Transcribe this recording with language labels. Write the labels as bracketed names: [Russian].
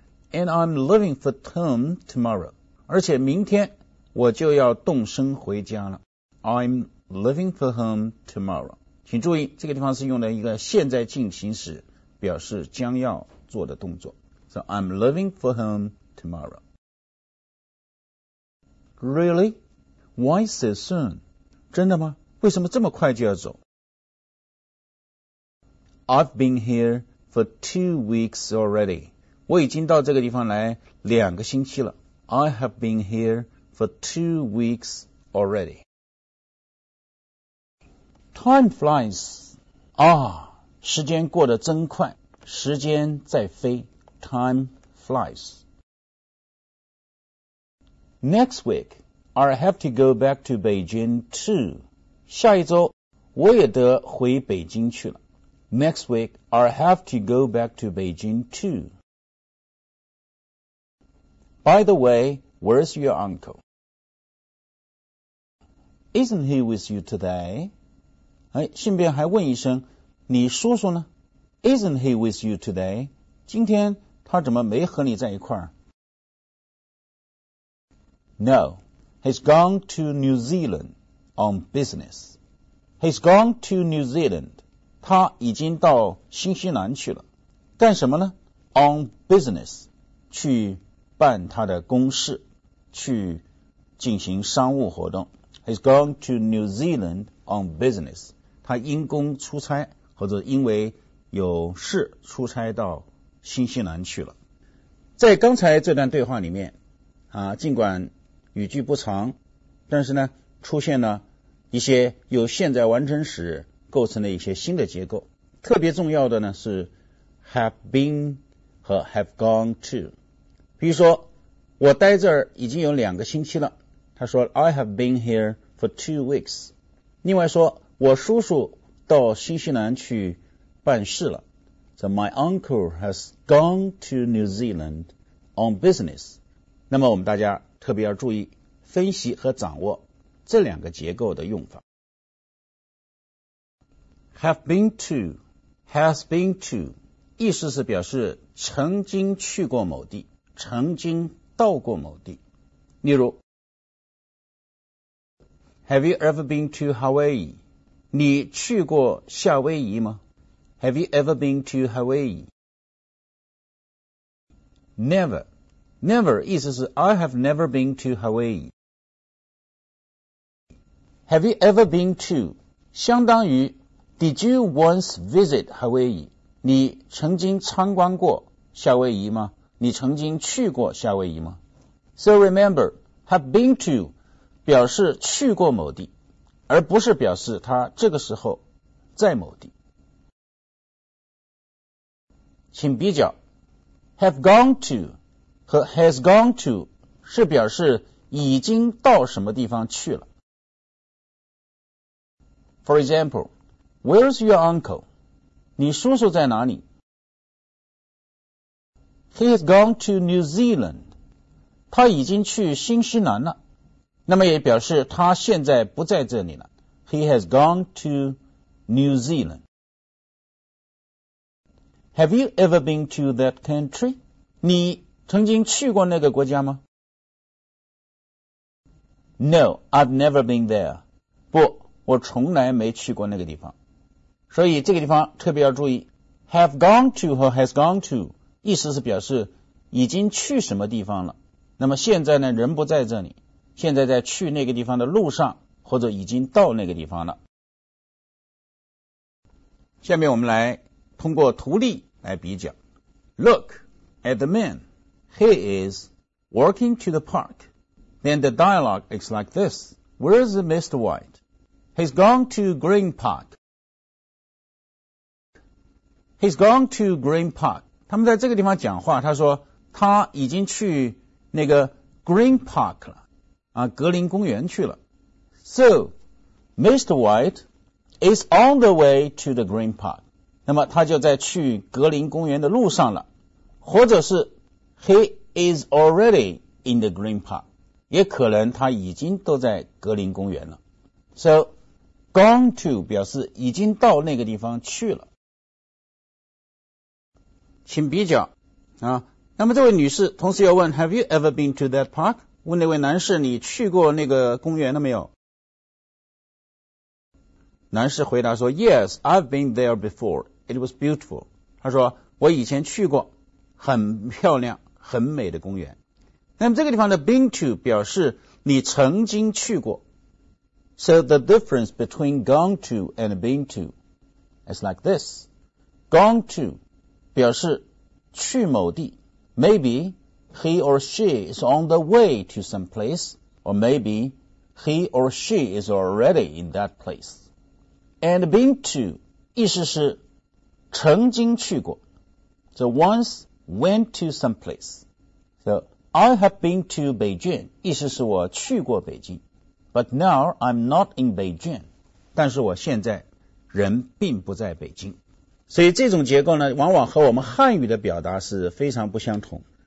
[English] And I'm leaving for term tomorrow. [Chinese] 而且明天我就要动身回家了。 [English] I'm leaving for home tomorrow. [Chinese] 请注意，这个地方是用的一个现在进行时，表示将要做的动作。 [English] So I'm leaving for home tomorrow. Really? Why so soon? [Chinese] 真的吗？为什么这么快就要走？ [English] I've been here for 2 weeks already. [Chinese] 我已经到这个地方来两个星期了。 [English] I have been here for 2 weeks already. Time flies. [Chinese] 啊，时间过得真快。时间在飞。 [English] Time flies. Next week. I have to go back to Beijing too. [Chinese] 下一周我也得回北京去了。 [English] Next week, I have to go back to Beijing too. By the way, where's your uncle? Isn't he with you today? [Chinese] 哎，顺便还问一声，你叔叔呢？ [English] Isn't he with you today? [Chinese] 今天他怎么没和你在一块儿？ [English] No. He's gone to New Zealand on business. He's gone to New Zealand. [Chinese] 他已经到新西兰去了。干什么呢？ [English] On business. [Chinese] 去办他的公事，去进行商务活动。 [English] He's gone to New Zealand on business. [Chinese] 他因公出差，或者因为有事出差到新西兰去了。在刚才这段对话里面，啊，尽管语句不长，但是呢出现了一些由现在完成时构成的一些新的结构。特别重要的呢是 have been 和 have gone to。比如说我待这儿已经有两个星期了，他说 [English] I have been here for 2 weeks。 [Chinese] 另外说我叔叔到新西兰去办事了， [English] So my uncle has gone to New Zealand on business。 [Chinese] 那么我们大家特别要注意分析和掌握这两个结构的用法。 [English] Have been to, has been to, [Chinese] 意思是表示曾经去过某地，曾经到过某地。 [English] 例如 ,Have you ever been to Hawaii? [Chinese] 你去过夏威夷吗 [English] ?Have you ever been to Hawaii? Never, never [Chinese] 意思是 [English] I have never been to Hawaii. Have you ever been to? [Chinese] 相当于 [English] Did you once visit Hawaii? [Chinese] 你曾经参观过夏威夷吗？你曾经去过夏威夷吗？ [English] So remember, have been to [Chinese] 表示去过某地，而不是表示他这个时候在某地。请比较 Have gone to 和 has gone to 是表示已经到什么地方去了。 [English] For example,Where's your uncle? [Chinese] 你叔叔在哪里? [English] He has gone to New Zealand. [Chinese] 他已经去新西兰了。那么也表示他现在不在这里了。 [English] He has gone to New Zealand. Have you ever been to that country? [Chinese] 你曾经去过那个国家吗? [English] No, I've never been there. [Chinese] 不,我从来没去过那个地方。所以这个地方特别要注意 have gone to 和 has gone to 意思是表示已经去什么地方了那么现在呢人不在这里现在在去那个地方的路上或者已经到那个地方了下面我们来通过图例来比较 [English] Look at the man He is walking to the park Then the dialogue is like this Where is Mr. White? He's gone to Green Park He's gone to Green Park. [Chinese] 他们在这个地方讲话，他说他已经去那个 Green Park 了，啊，格林公园去了。 [English] So, Mr. White is on the way to the Green Park. [Chinese] 那么他就在去格林公园的路上了，或者是 [English] he is already in the Green Park. [Chinese] 也可能他已经都在格林公园了。 [English] So, gone to [Chinese] 表示已经到那个地方去了。请比较啊。那么这位女士同时要问 [English] Have you ever been to that park? [Chinese] 问那位男士你去过那个公园了没有男士回答说 [English] Yes, I've been there before. It was beautiful. [Chinese] 他说我以前去过很漂亮很美的公园。那么这个地方的 been to 表示你曾经去过。 [English] So the difference between gone to and been to is like this. Gone to, [Chinese] 表示去某地 [English] maybe he or she is on the way to some place or maybe he or she is already in that place and been to [Chinese] 意思是曾经去过 [English] so once went to some place so I have been to Beijing [Chinese] 意思是我去过北京 [English] but now I'm not in Beijing [Chinese] 但是我现在人并不在北京所以这种结构呢往往和我们汉语的表达是非常不相同